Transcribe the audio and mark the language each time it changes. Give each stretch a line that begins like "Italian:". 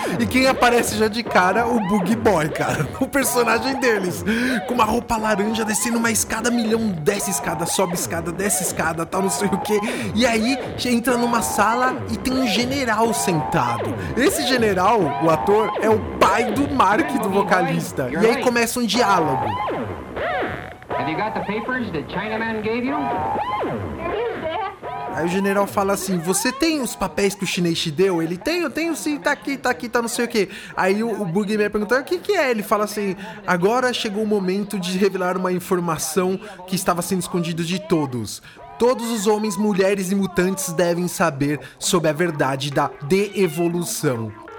Portuguese: E quem aparece já de cara? O Bug Boy, cara. O personagem deles. Com uma roupa laranja, descendo uma escada, milhão, desce escada, sobe escada, desce escada, tal, não sei o quê. E aí, entra numa sala e tem um general sentado. Esse general, o ator, é o pai do Mark, do vocalista. E aí começa um diálogo.
English: Have you got the papers that Chinaman gave you?
Portuguese: Aí o general fala assim, você tem os papéis que o chinês te deu? Ele, tenho sim, tá aqui, tá não sei o quê. Aí o Boogeyman pergunta, o que é? Ele fala assim, agora chegou o momento de revelar uma informação que estava sendo escondida de todos. Todos os homens, mulheres e mutantes devem saber sobre a verdade da de-evolução.